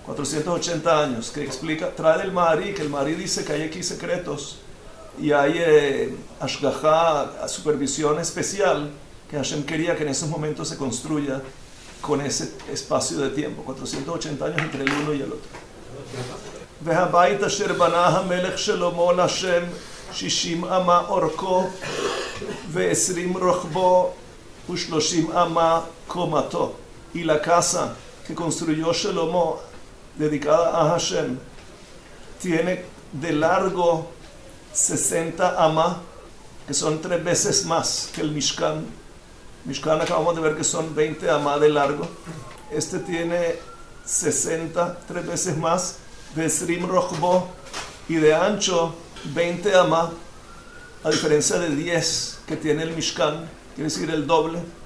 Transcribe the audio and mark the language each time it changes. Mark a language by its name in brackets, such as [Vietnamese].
[Spanish] 480 años, que explica, trae el Ma'ari, que el Ma'ari dice que hay aquí secretos, y hay Ashgaha, supervisión especial, que Hashem quería que en esos momentos se construya con ese espacio de tiempo, 480 años entre el uno y el otro. [Hebrew] והבית אשר בנה המלך שלמה להשם 60 אמה אורכו ו-20 רוחבו ו-30 אמה קומתו. [Spanish] Y la casa que construyó Shlomo, dedicada a Hashem, tiene de largo 60 amá, que son tres veces más que el Mishkan. Mishkan acabamos de ver que son 20 amá de largo. Este tiene 60, tres veces más, de Srim Rojbo, y de ancho 20 amá, a diferencia de 10 que tiene el Mishkan, quiere decir el doble.